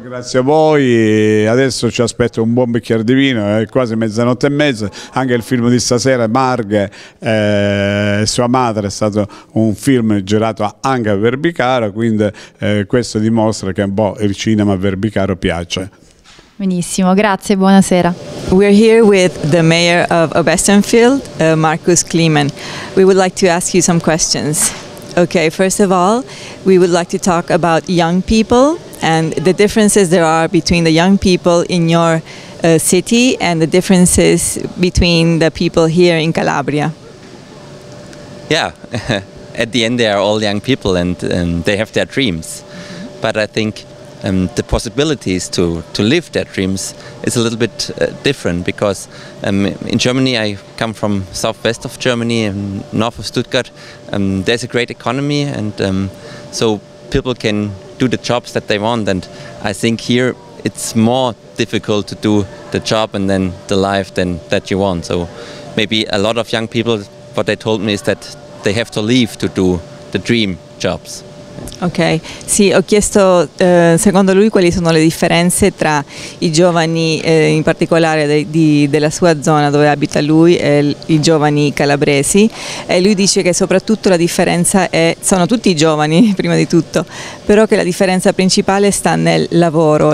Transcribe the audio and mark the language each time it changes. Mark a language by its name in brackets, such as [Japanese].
[Italian] Grazie a voi, adesso ci aspetto un buon bicchiere di vino, è quasi mezzanotte e mezza, anche il film di stasera, Marghe e sua madre, è stato un film girato anche a Verbicaro, quindi questo dimostra che un po' il cinema a Verbicaro piace. Benissimo, grazie, buonasera. [English] We're here with the mayor of Obstanveld, Markus Kleeman. We would like to ask you some questions. Okay, first of all, we would like to talk about young people and the differences there are between the young people in your city and the differences between the people here in Calabria. Yeah, at the end they are all young people and they have their dreams. But I think the possibilities to live their dreams is a little bit different, because in Germany, I come from southwest of Germany, north of Stuttgart, there's a great economy, and so people can do the jobs that they want, and I think here it's more difficult to do the job and then the life than that you want. So maybe a lot of young people, what they told me is that they have to leave to do the dream jobs. [Italian] Ok, sì, ho chiesto secondo lui quali sono le differenze tra i giovani in particolare della sua zona dove abita lui e i giovani calabresi, e lui dice che soprattutto la differenza sono tutti giovani prima di tutto, però che la differenza principale sta nel lavoro.